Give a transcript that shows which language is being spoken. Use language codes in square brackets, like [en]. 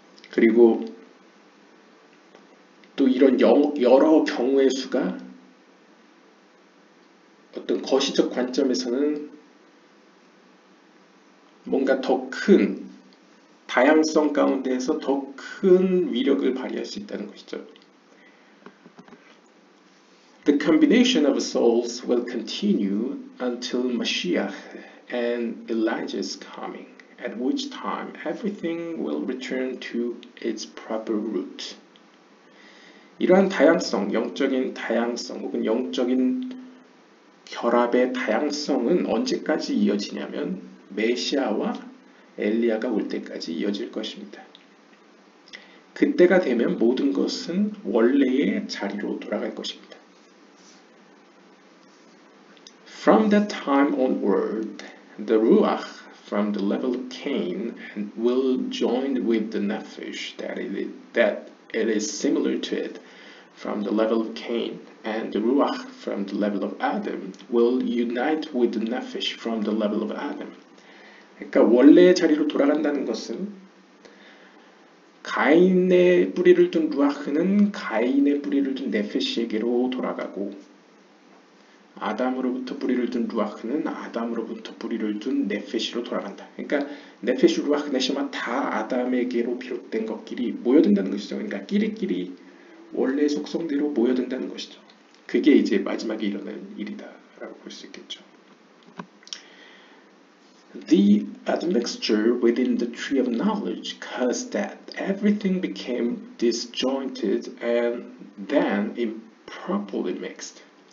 [ko] 그리고 또 이런 여러 경우의 수가 어떤 거시적 관점에서는 뭔가 더 큰 다양성 가운데에서 더 큰 위력을 발휘할 수 있다는 것이죠. [en] The combination of souls will continue until Mashiach and Elijah's coming, at which time everything will return to its proper root. [ko] 이러한 다양성, 영적인 다양성 혹은 영적인 결합의 다양성은 언제까지 이어지냐면 메시아와 엘리야가 올 때까지 이어질 것입니다. 그때가 되면 모든 것은 원래의 자리로 돌아갈 것입니다. [en] From that time onward, the Ruach from the level of Cain will join with the Nefesh that it is similar to it from the level of Cain, and the Ruach from the level of Adam will unite with the Nefesh from the level of Adam. [ko] 그러니까 원래의 자리로 돌아간다는 것은 가인의 뿌리를 둔 루아흐는 가인의 뿌리를 둔 네페시에게로 돌아가고 아담으로부터 뿌리를 둔 루아흐는 아담으로부터 뿌리를 둔 네페시로 돌아간다. 그러니까 네페시, 루아흐, 네시마 다 아담에게로 비롯된 것끼리 모여든다는 것이죠. 그러니까 끼리끼리 원래의 속성대로 모여든다는 것이죠. 그게 이제 마지막에 일어날 일이다라고 볼 수 있겠죠. [en] The admixture within the tree of knowledge caused that everything became disjointed and then improperly mixed.